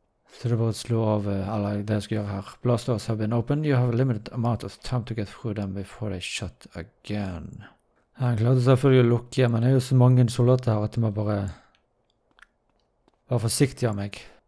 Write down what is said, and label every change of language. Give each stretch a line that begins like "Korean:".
Norwegian: Så det er bare å slå av, eller det jeg skal gjøre her.
English: Blast doors have been opened. You have a limited amount of time to get through them before they shut again.
Norwegian: Han klarte selvfølgelig å lukke, men det er jo så mange soldater her at de må bare være forsiktig av meg.